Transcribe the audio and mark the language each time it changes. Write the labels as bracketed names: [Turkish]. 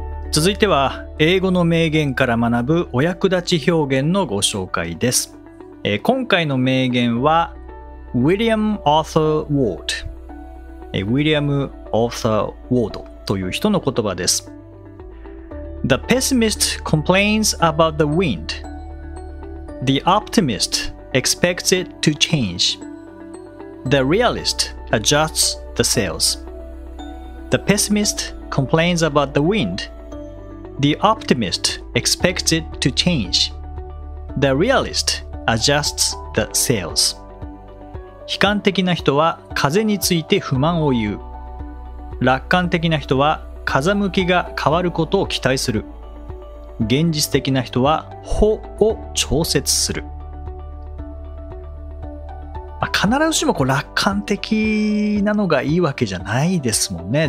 [Japanese] 続いては英語の名言から学ぶお役立ち表現のご紹介です。今回の名言は William Arthur Ward。 William Arthur Ward という人の言葉です。 [English] The pessimist complains about the wind. The optimist expects it to change. The realist adjusts the sails. The pessimist complains about the wind. The optimist expects it to change. The realist adjusts the sails. [Japanese] 悲観的な人は風について不満を言う。楽観的な人は風向きが変わることを期待する。現実的な人は歩を調節する、まあ、必ずしもこう楽観的なのがいいわけじゃないですもんね。